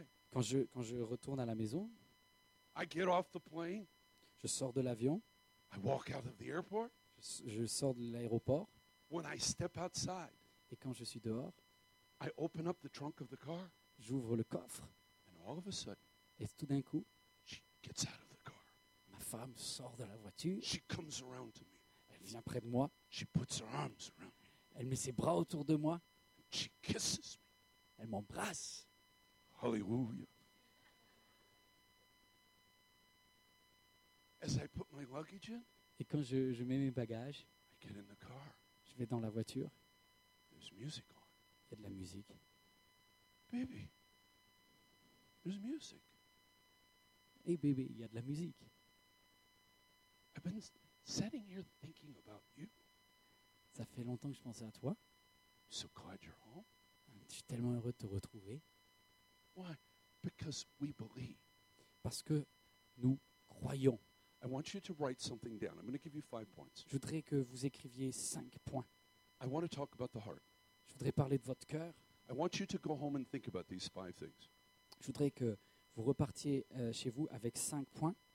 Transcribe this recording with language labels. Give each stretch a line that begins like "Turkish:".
French: Quand je retourne à la maison,
English: I get off the plane,
French: je sors de l'avion.
English: I walk out of the airport,
French: je sors de l'aéroport.
English: When I step outside,
French: et quand je suis dehors,
English: I open up the trunk of the car,
French: j'ouvre le coffre.
English: And all of a sudden,
French: et tout d'un coup,
English: she gets out of the car.
French: Ma femme sort de la voiture.
English: She comes around to me.
French: Elle vient près de moi.
English: She puts her arms around me.
French: Elle met ses bras autour de moi.
English: She kisses me.
French: Elle m'embrasse.
English: Hallelujah. As I put my luggage in,
French: et quand je mets mes bagages,
English: I get in the car.
French: Je vais dans la voiture.
English: There's music on.
French: Il y a de la musique.
English: Baby, there's music. Hey baby,
French: il y a de la musique.
English: I've been sitting here thinking about you.
French: Ça fait longtemps que je pensais à toi.
English: So glad you're home.
French: Je suis tellement heureux de te retrouver.
English: Why? Because we believe.
French: Parce que nous croyons.
English: I want you to write something down. I'm going to give you 5 points.
French: Je voudrais que vous écriviez 5 points.
English: I want to talk about the heart.
French: Je voudrais parler de votre cœur.
English: I want you to go home and think about these 5 things.
French: Je voudrais que vous repartiez chez vous avec 5 points.